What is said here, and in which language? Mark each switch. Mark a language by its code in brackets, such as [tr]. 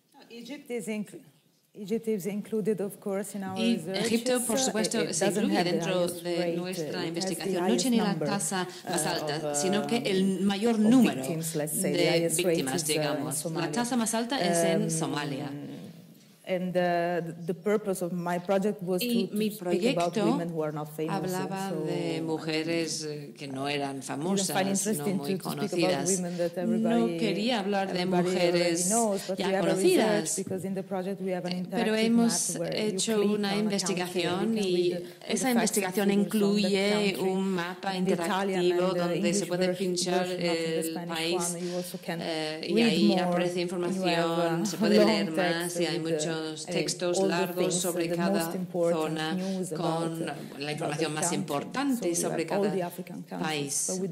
[es] Egipto, por supuesto, se incluye dentro de nuestra investigación. No tiene la tasa más alta, sino que el mayor número de víctimas, digamos. La tasa más alta es en Somalia. [en] And the purpose of my project was to speak about women who are not famous. [es] Hablaba de mujeres que no eran famosas, no muy conocidas. No quería hablar de mujeres ya conocidas. Pero hemos hecho una investigación y esa investigación incluye un mapa interactivo donde se puede pinchar el país y ahí aparece información, se puede leer más y hay mucho textos largos sobre cada zona con la información más importante sobre cada país.